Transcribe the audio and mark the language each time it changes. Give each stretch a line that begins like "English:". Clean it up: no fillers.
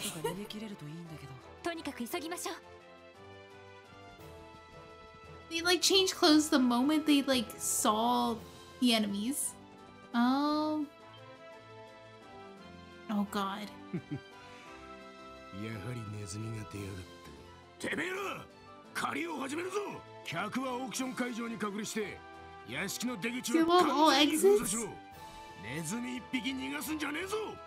Japanese: とか逃げ切れるといいんだけど。とにかく急ぎましょう。
English: They like change clothes the moment they like saw the enemies. Oh God.
Japanese: やはりネズミが出やがった。てめえら。狩りを始めるぞ。客はオークション会場に隠れして、屋敷の出口を完全に封鎖しろ。ネズミ一匹逃がすんじゃねえぞ。